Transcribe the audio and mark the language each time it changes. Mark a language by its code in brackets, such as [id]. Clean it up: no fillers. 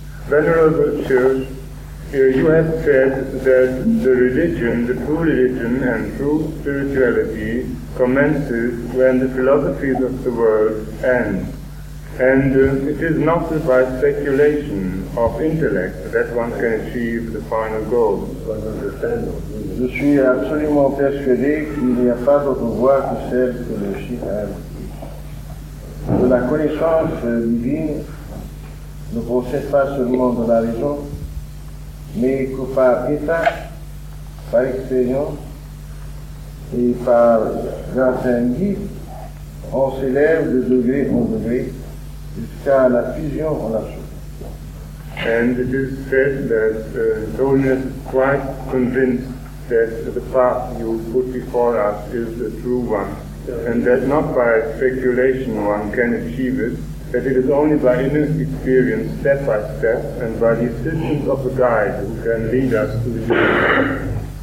[en] Venerable Church, you have said that the religion, the true religion and true spirituality commences when the philosophies of the world end. And it is not by speculation of intellect that one can achieve the final goal. [fr] Je suis absolument persuadé qu'il n'y a pas d'autre voie que celle que le Cheikh a indiquée. La connaissance divine ne procède pas seulement de la raison, mais que par état, par expérience et par grâce à un guide, on s'élève de degré en degré jusqu'à la fusion en la soi. [en] And it is said that Tony is quite convinced that the path you put before us is the true one, and that not by speculation one can achieve it, that it is only by inner experience, step by step, and by the assistance of a guide who can lead us to the